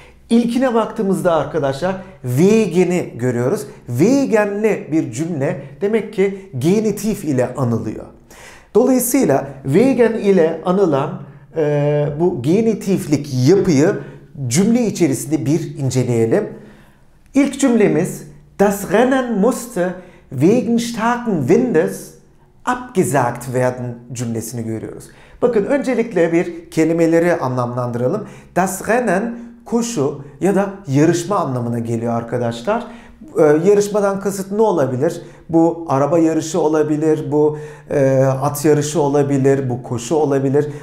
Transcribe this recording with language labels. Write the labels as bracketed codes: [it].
[tr] İlkine baktığımızda arkadaşlar wegen'i görüyoruz. Wegen'li bir cümle demek ki genitif ile anılıyor. Dolayısıyla wegen ile anılan bu genitiflik yapıyı cümle içerisinde bir inceleyelim. İlk cümlemiz: [de] Das Rennen musste wegen starken Windes abgesagt werden [tr] cümlesini görüyoruz. Bakın, öncelikle bir kelimeleri anlamlandıralım. Das Rennen koşu ya da yarışma anlamına geliyor arkadaşlar. Yarışmadan kasıt ne olabilir? Bu araba yarışı olabilir, bu at yarışı olabilir, bu koşu olabilir.